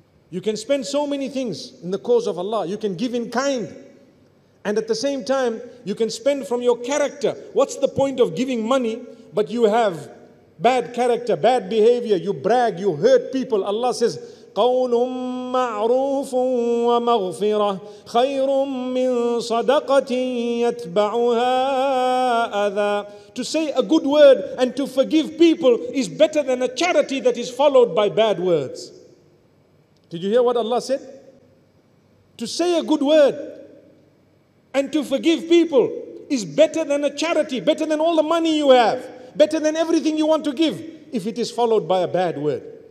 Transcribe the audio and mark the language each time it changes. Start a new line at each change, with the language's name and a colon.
English: You can spend so many things in the cause of Allah. You can give in kind. And at the same time, you can spend from your character. What's the point of giving money, but you have bad character, bad behavior, you brag, you hurt people. Allah says,
Arabic: قَوْلٌ مَعْرُوفٌ وَمَغْفِرَةٌ خَيْرٌ مِّن صَدَقَةٍ يَتْبَعُهَا أَذًى.
English: To say a good word and to forgive people is better than a charity that is followed by bad words. Did you hear what Allah said? To say a good word and to forgive people is better than a charity, better than all the money you have, better than everything you want to give, if it is followed by a bad word.